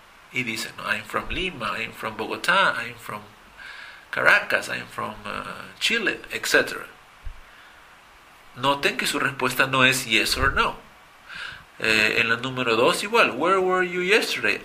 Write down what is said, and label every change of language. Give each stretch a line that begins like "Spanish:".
Spanish: Y dice, no,
English: I'm from Lima, I'm from Bogotá, I'm from Caracas, I'm from Chile, etc.
Spanish: Noten que su respuesta no es
English: yes or no.
Spanish: En la número 2 igual,
English: where were you yesterday?